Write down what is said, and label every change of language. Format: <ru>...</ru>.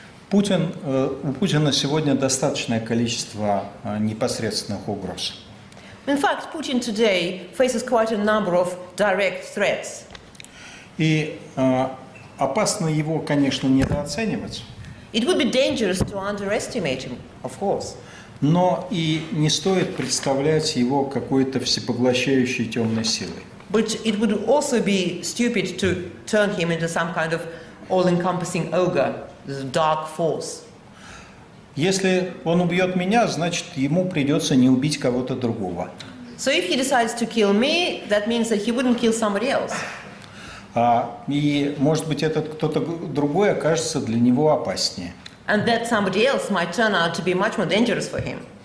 <ru>Путин, у Путина сегодня достаточное количество непосредственных угроз.</ru> <en>In fact, Putin today faces quite a number of direct threats.</en> <ru>И опасно его, конечно, недооценивать.</ru> <en>It would be dangerous to underestimate him, of course.</en> <ru>Но и не стоит представлять его какой-то всепоглощающей темной силой.</ru> <en>But it would also be stupid to turn him into some kind of all-encompassing ogre. This dark force.</en> <ru>Если он убьет меня, значит, ему придется не убить кого-то другого.</ru> <en>So if he decides to kill me, that means that he wouldn't kill somebody else.</en> <ru>И, может быть, этот кто-то другой окажется для него опаснее.</ru> <en>And that somebody else might turn out to be much more dangerous for him.</en>